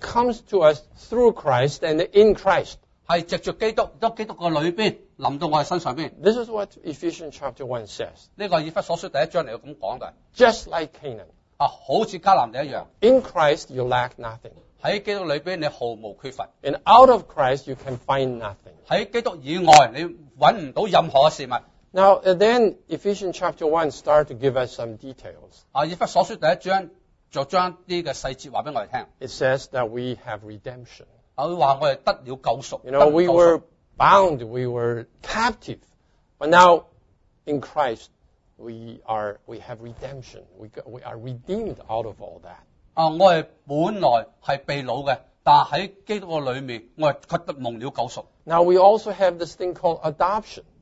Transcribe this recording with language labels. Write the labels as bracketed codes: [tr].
[en] comes to us through Christ and in Christ. [zh] 是藉著基督，都基督的裏面臨到我們身上。 [en] This is what Ephesians chapter 1 says. [zh] 這個以弗所書第一章來這樣講的。 [en] Just like Canaan. [zh] 啊，好像迦南地一樣。 [en] In Christ you lack nothing. [zh] 在基督裏面你毫無缺乏。 [en] And out of Christ you can find nothing. [zh] 在基督以外你找不到任何事物。 [en] Now, then Ephesians chapter 1 starts to give us some details. [zh] 啊，以弗所書第一章就將這個細節告訴我們。 [en] It says that we have redemption. You know, we were bound, we were captive. But now, in Christ, we have redemption. We are redeemed out of all that. [zh] 我們本來是被奴的，但在基督的裡面，我們卻得蒙了救贖。 [en] Now, we also have this thing called adoption.